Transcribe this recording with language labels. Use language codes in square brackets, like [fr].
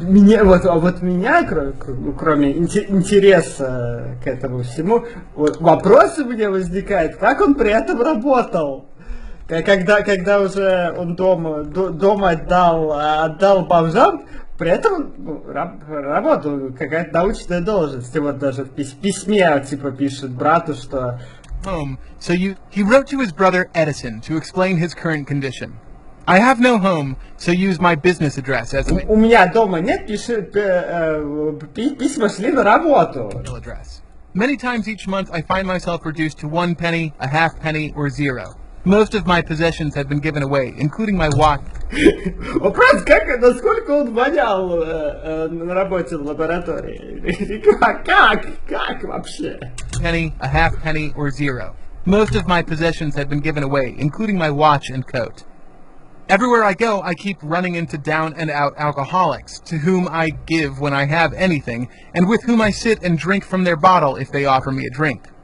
[ru] Меня, кроме интереса к этому всему, вопрос у меня возникает, как он при этом работал? Когда уже он дома отдал бомжам, при этом работал, какая-то научная должность. И вот даже в письме типа пишет брату, что... [en] Home, so you... He wrote to his brother Edison to explain his current condition. "I have no home, so use my business address as a..." [ru] У меня дома нет, письма шли на работу. [en] Address. "Many times each month I find myself reduced to one penny, a half penny, or zero. Most of my possessions have been given away, including my watch." [ru] Вопрос, как, насколько он вонял на работе в лаборатории? Как вообще? [en] "Penny, a half penny, or zero. Most of my possessions have been given away, including my watch and coat. Everywhere I go, I keep running into down and out alcoholics, to whom I give when I have anything, and with whom I sit and drink from their bottle if they offer me a drink.